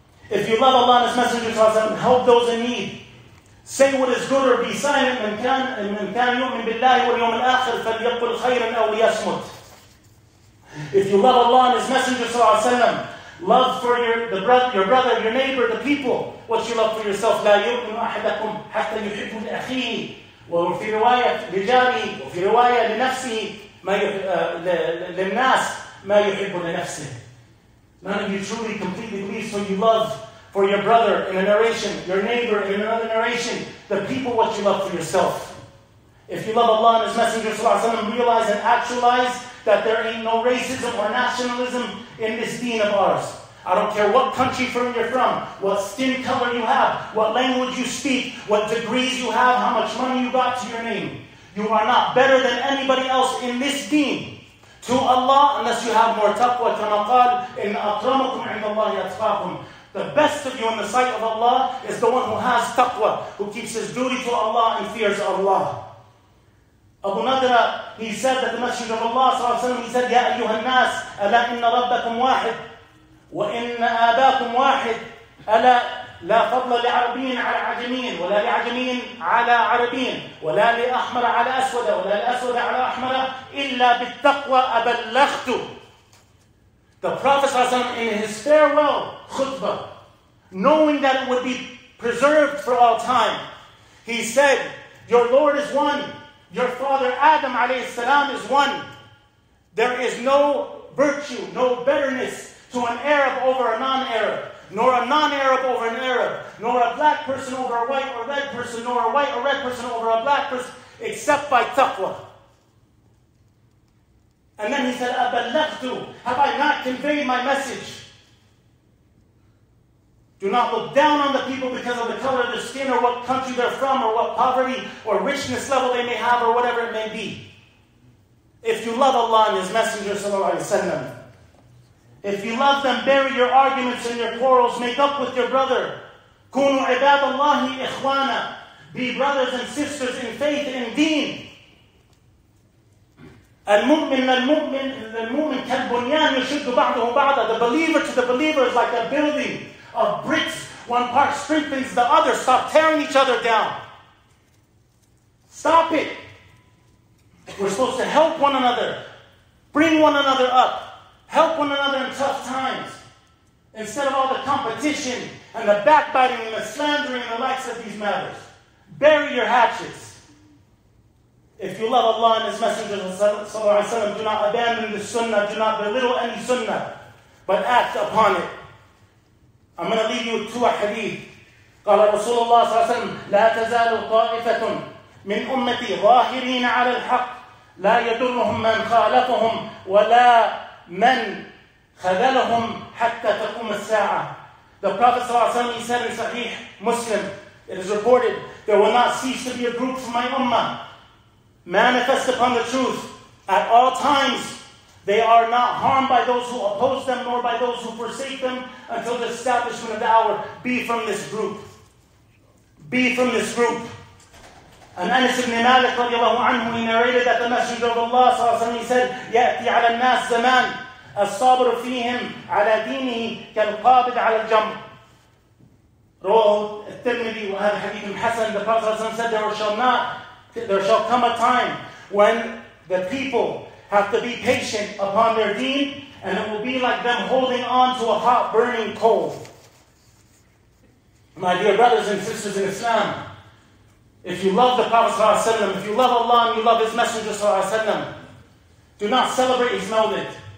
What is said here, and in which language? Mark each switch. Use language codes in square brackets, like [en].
[en] If you love Allah and His Messenger, help those in need. Say what is good or be silent. [ar] مَنْ كَانَ يُؤْمِنْ بِاللَّهِ وَالْيَوْمِ الْآخِرِ فَلْيَقُلْ خَيْرًا أَوْ لِيَصْمُتْ. [en] If you love Allah and His Messenger, love for your brother, your neighbor, the people. What's your love for yourself? [ar] لَا يُؤْمِنْ أَحَدَكُمْ حَتَّى يُحِبُّ الْأَخِيهِ. وفي رواية لجاري وفي رواية لنفسه ما للناس ما يحب لنفسه. [en] None of you truly completely believes what you love for your brother in a narration, your neighbor in another narration, the people what you love for yourself. If you love Allah and His Messenger, realize and actualize that there ain't no racism or nationalism in this deen of ours. I don't care what country from you're from, what skin color you have, what language you speak, what degrees you have, how much money you got to your name. You are not better than anybody else in this deen to Allah unless you have more taqwa. [ar] كَمَا قَالْ إِنْ أَكْرَمَكُمْ عِنْدَ اللَّهِ أَتْقَاكُمْ. [en] The best of you in the sight of Allah is the one who has taqwa, who keeps his duty to Allah and fears Allah. Abu Nadra, he said that the Messenger of Allah, he said, [ar] يَا أَيُّهَا النَّاسِ أَلَا إِنَّ رَبَّكُمْ وَاحِدٌ وَإِنَّ آبَاكُمْ وَاحِدٌ أَلَا لا فضل لعربي على عجمي ولا لعجمي على عربي ولا لأحمر على أسود ولا لأسود على أحمر إلا بالتقوى أبلغت. [en] The Prophet sallallahu alaihi wasallam in his farewell khutbah, knowing that it would be preserved for all time, he said, your Lord is one, your father Adam alayhi salam is one. There is no virtue, no betterness to an Arab over a non-Arab, nor a non-Arab over an Arab, nor a black person over a white or red person, nor a white or red person over a black person, except by taqwa. And then he said, [ar] أَبَلَّغْتُ, [en] have I not conveyed my message? Do not look down on the people because of the color of their skin or what country they're from or what poverty or richness level they may have or whatever it may be. If you love Allah and His Messenger, sallallahu alayhi wa sallam, if you love them, bury your arguments and your quarrels, make up with your brother. [ar] كُونُوا عِبَادَ اللَّهِ إِخْوَانَا, [en] be brothers and sisters in faith and deen. [ar] المؤمن كالبنيان يشد بعضه بعضا. [en] The believer to the believer is like a building of bricks. One part strengthens the other. Stop tearing each other down. Stop it. We're supposed to help one another. Bring one another up. Help one another in tough times. Instead of all the competition and the backbiting and the slandering and the likes of these matters. Bury your hatchets. If you love Allah and His Messenger, sallallahu alaihi wasallam, do not abandon the sunnah, do not belittle any sunnah, but act upon it. I'm going to leave you with two hadith. [ar] قال رسول الله صلى الله عليه وسلم لا تزال طائفة من أمتي ظاهرين على الحق لا يضرهم من خالفهم ولا من خذلهم حتى تقوم الساعة. [en] The Prophet صلى الله عليه وسلم said in Sahih Muslim, it is reported, there will not cease to be a group from my ummah manifest upon the truth at all times. They are not harmed by those who oppose them nor by those who forsake them until the establishment of the hour. Be from this group. Be from this group. And Anas ibn Malik radiallahu anhu, he narrated that the Messenger of Allah صلى الله عليه وسلم said, [ar] يأتي على الناس زمان الصابر فيهم على دينه كالقابض على الجمر. رواه الترمذي وهذا حديث حسن. [en] The Prophet said, there shall come a time when the people have to be patient upon their deen, and it will be like them holding on to a hot burning coal. My dear brothers and sisters in Islam, if you love the Prophet sallallahu alaihi wasallam, if you love Allah and you love His Messenger sallallahu alaihi wasallam, do not celebrate His Mawlid.